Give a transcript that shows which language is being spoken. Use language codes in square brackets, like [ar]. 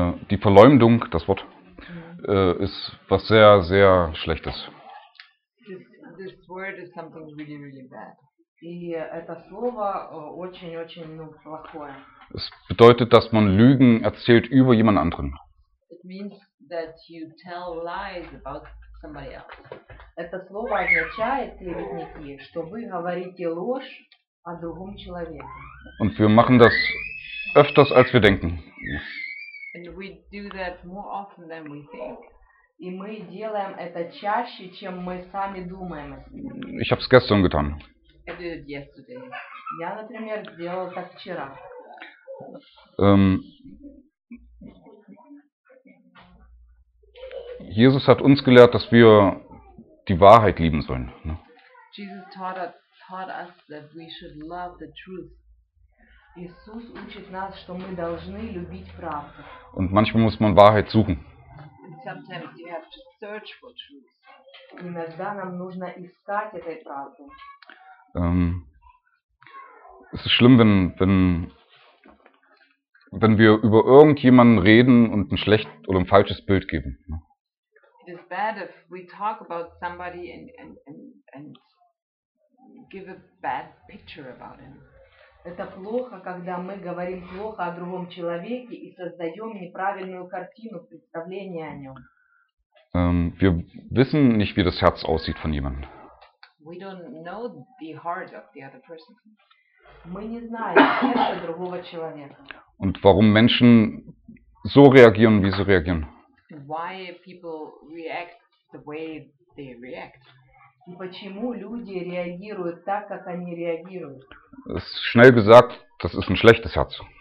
[de] Die Verleumdung, das Wort, ist was sehr, sehr Schlechtes. [en] This word is something really, really bad. [ru] Das слово очень, очень плохое. [de] Es bedeutet, dass man Lügen erzählt über jemand anderen. [en] It means that you tell lies about somebody else. [ru] Это слово означает, клеветники, что вы говорите ложь о другом человеке. [de] Und wir machen das öfters, als wir denken. [en] And we do that more often than we think. [ru] И мы делаем это чаще, чем мы сами думаем. [de] Ich habe es gestern getan. [en] I did it yesterday. [ru] Я, например, сделал так вчера. [de] Jesus hat uns gelehrt, dass wir die Wahrheit lieben sollen. Ne? [en] Jesus taught us that we should love the truth. [ru] Jesus учит нас, что мы должны любить правду. [de] Und manchmal muss man Wahrheit suchen. [en] And sometimes you have to search for truth. [ru] Иногда нам нужно искать этой правды. [de] Es ist schlimm, wenn wir über irgendjemanden reden und ein schlecht oder ein falsches Bild geben. Ne? [en] It is bad if we talk about somebody and give a bad picture about him. [ru] Это плохо, когда мы говорим плохо о другом человеке и создаем неправильную картину представления о нем. [de] Wir wissen nicht, wie das Herz aussieht von jemandem. [en] We don't know the heart of the other person. [ru] Мы не знаем сердце другого человека. [de] Und warum Menschen so reagieren, wie sie reagieren? [en] Why people react the way they react? [ru] И почему люди реагируют так, как они реагируют? [de] Es ist schnell gesagt, das ist ein schlechtes Herz.